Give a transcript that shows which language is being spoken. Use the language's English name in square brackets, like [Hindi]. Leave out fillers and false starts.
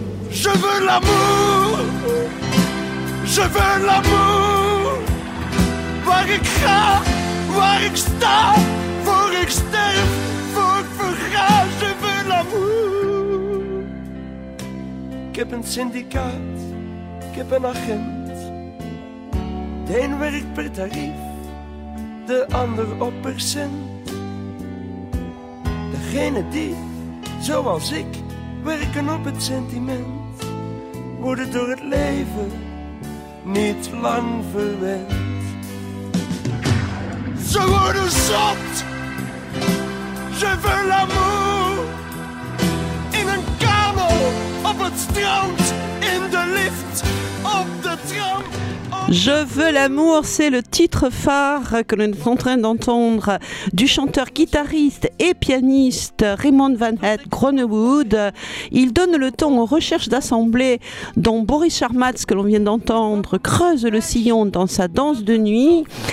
[French] Je veux l'amour, je veux l'amour. Voir écran, voir extase, voir extase, voir fera. Je veux l'amour. [Dutch] Ik heb een syndicaat, ik heb een agent. De een werkt per tarief, de ander op percent. Degene die, zoals ik, werken op het sentiment. Worden door het leven niet lang verwend. Ze worden zot. [French] Je veux l'amour. [Dutch] In een kamer, op het strand, in de lift, op de tram. [French] Je veux l'amour, c'est le titre phare que l'on est en train d'entendre du chanteur, guitariste et pianiste Raymond Van Het Groenewoud. Il donne le ton aux recherches d'assemblée dont Boris Charmatz, que l'on vient d'entendre, creuse le sillon dans sa danse de nuit.